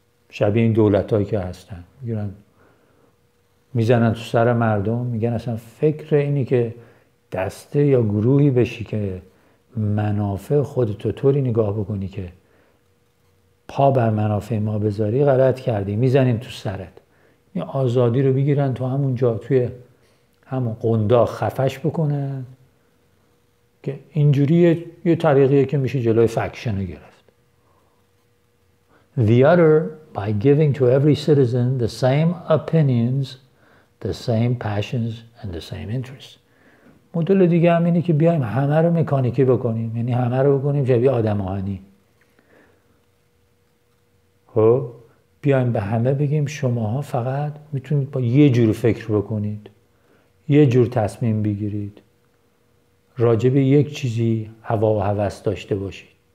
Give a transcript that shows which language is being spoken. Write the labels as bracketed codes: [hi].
[fa] شبیه این دولتایی که هستن میگن میزنن تو سر مردم، میگن اصلا فکر اینی که دسته یا گروهی بشی که منافع خودتو طوری نگاه بکنی که پا بر منافع ما بذاری غلط کردی، میزنیم تو سرت. این آزادی رو بگیرن تو همون جا توی همون قنداق خفش بکنن، که اینجوری یه طریقیه که میشه جلوی فکشن رو گرفت. [en] The other by giving to every citizen the same opinions, the same passions and the same interests. [fa] مدل دیگه هم اینه که بیایم همه رو مکانیکی بکنیم، یعنی همه رو بکنیم شبیه آدم آهنی. خب بیایم به همه بگیم شماها فقط میتونید با یه جور فکر بکنید، یه جور تصمیم بگیرید، راجع به یک چیزی هوا و هوس داشته باشید.